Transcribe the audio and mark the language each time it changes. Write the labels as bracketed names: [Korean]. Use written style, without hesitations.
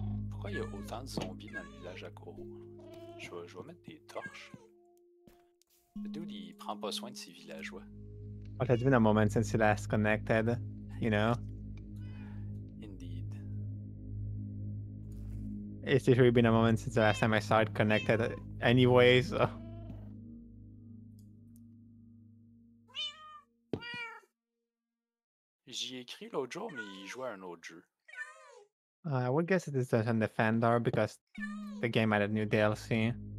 [French] Pourquoi il y a autant de zombies dans le village à Koro? Je vais mettre des torches. Le dude, il prend pas soin de ses villageois. [English] Well, it's been a moment since he last connected, you know? Indeed. It's literally been a moment since the last time I saw it connected anyways. So. [French] J'y ai écrit l'autre jour, mais il jouait à un autre jeu. [English] I would guess it is Dungeon Defender, because the game had a new DLC.